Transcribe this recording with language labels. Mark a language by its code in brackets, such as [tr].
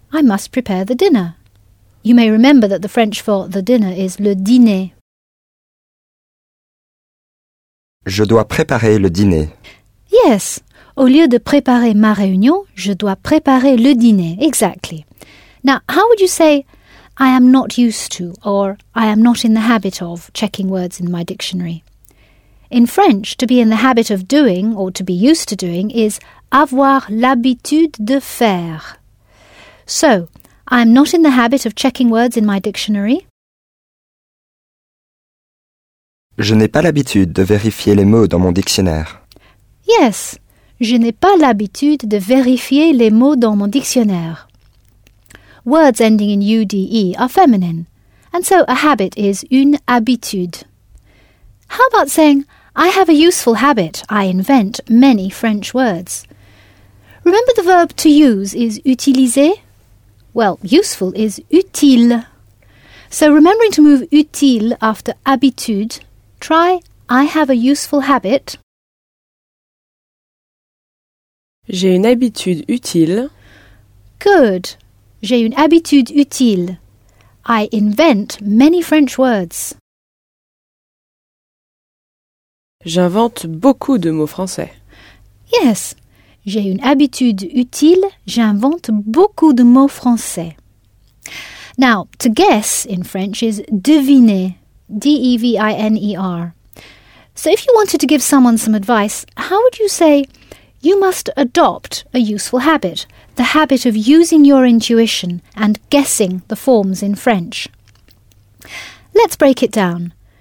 [en] I must prepare the dinner. You may remember that the French for the dinner is [fr] le dîner. Je dois préparer le dîner. [en] Yes. [fr] Au lieu de préparer ma réunion, je dois préparer le dîner. [en] Exactly. Now, how would you say, I am not used to, or I am not in the habit of checking words in my dictionary? In French, to be in the habit of doing, or to be used to doing, is [fr] avoir l'habitude de faire. [en] So, I am not in the habit of checking words in my dictionary. [fr] Je n'ai pas l'habitude de vérifier les mots dans mon dictionnaire. Yes, je n'ai pas l'habitude de vérifier les mots dans mon dictionnaire. [en] Words ending in UDE are feminine, and so a habit is [fr] une habitude. [en] How about saying, I have a useful habit, I invent many French words? Remember the verb to use is utiliser? Well, useful is utile. So remembering to move utile after habitude, try I have a useful habit. [fr] J'ai une habitude utile. Good. J'ai une habitude utile. [en] I invent many French words. [fr] J'invente beaucoup de mots français. Yes. J'ai une habitude utile. J'invente beaucoup de mots français. [en] Now, to guess in French is deviner. D-E-V-I-N-E-R. So if you wanted to give someone some advice, how would you say, you must adopt a useful habit, the habit of using your intuition and guessing the forms in French? Let's break it down.